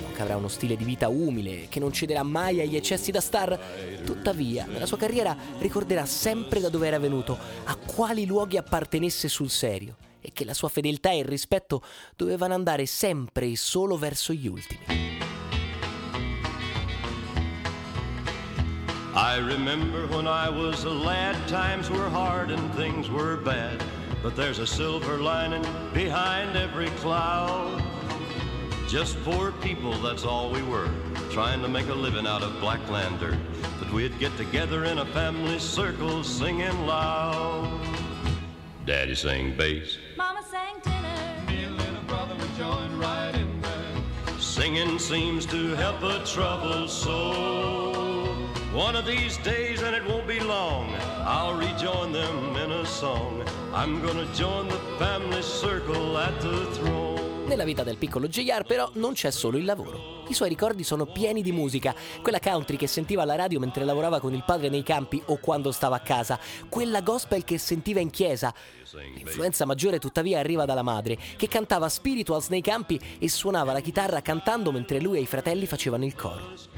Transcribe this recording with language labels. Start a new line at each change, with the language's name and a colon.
Italian: Avrà uno stile di vita umile che non cederà mai agli eccessi da star. Tuttavia, nella sua carriera ricorderà sempre da dove era venuto, a quali luoghi appartenesse sul serio, e che la sua fedeltà e il rispetto dovevano andare sempre e solo verso gli ultimi.
English: I remember when I was a lad, times were hard and things were bad, but there's a silver lining behind every cloud. Just poor people, that's all we were, trying to make a living out of blackland dirt. But we'd get together in a family circle, singing loud. Daddy sang bass. Mama sang tenor. Me and little brother would join right in there. Singing seems to help a troubled soul. One of these days, and it won't be long, I'll rejoin them in a song. I'm gonna join the family circle at the throne.
Italian: Nella vita del piccolo JR però non c'è solo il lavoro. I suoi ricordi sono pieni di musica, quella country che sentiva alla radio mentre lavorava con il padre nei campi o quando stava a casa, quella gospel che sentiva in chiesa. L'influenza maggiore tuttavia arriva dalla madre, che cantava spirituals nei campi e suonava la chitarra cantando mentre lui e i fratelli facevano il coro.